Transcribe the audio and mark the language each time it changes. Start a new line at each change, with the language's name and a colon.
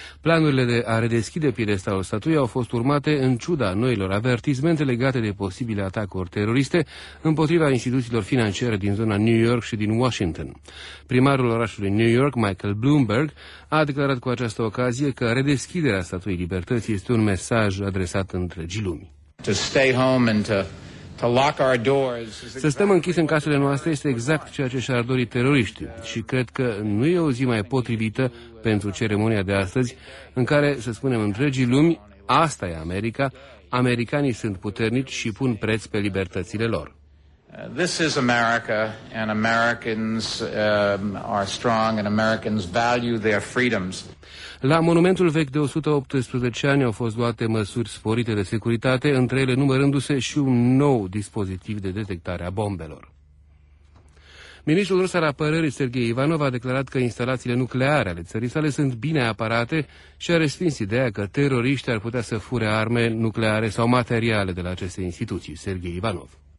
Romanian: Planurile de a redeschide piedestalul statuii au fost urmate în ciuda noilor avertizmente legate de posibile atacuri teroriste împotriva instituțiilor financiare din zona New York și din Washington. Primarul orașului New York, Michael Bloomberg, a declarat cu această ocazie că redeschiderea Statuii Libertății este un mesaj adresat întregii lumii.
English: To stay home and to lock our doors.
Romanian: Să stăm închiși în casele noastre este exact ceea ce și-ar dori teroriștii și cred că nu e o zi mai potrivită pentru ceremonia de astăzi în care să spunem întregii lumi, asta e America, americanii sunt puternici și pun preț pe libertățile lor.
English: This is America and Americans are strong and Americans value their freedoms.
Romanian: La monumentul vechi de 118 ani au fost luate măsuri sporite de securitate, între ele numărându-se și un nou dispozitiv de detectare a bombelor. Ministrul rus al apărării, Sergei Ivanov, a declarat că instalațiile nucleare ale țării sale sunt bine apărate și a respins ideea că teroriștii ar putea să fure arme nucleare sau materiale de la aceste instituții. Sergei Ivanov.